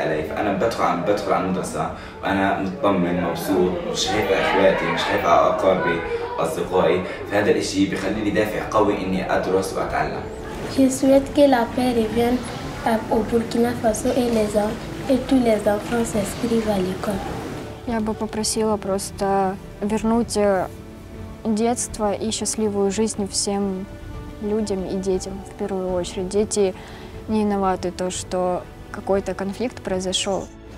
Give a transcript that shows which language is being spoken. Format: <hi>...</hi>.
<ar>بدخل على المدرسة وأنا مطمن مبسوط مش خايف على إخواتي مش خايف على أقاربي أصدقائي فهذا الإشي بيخليني دافع قوي إني أدرس وأتعلم.</ar> <fr>Je souhaite que la paix revienne au Burkina Faso et les hommes et tous les enfants s'inscrivent à l'école.</fr> <ru>Я бы попросила просто вернуть детство и счастливую жизнь всем людям и детям в первую очередь. Дети не виноваты то, что какой-то конфликт произошел.</ru>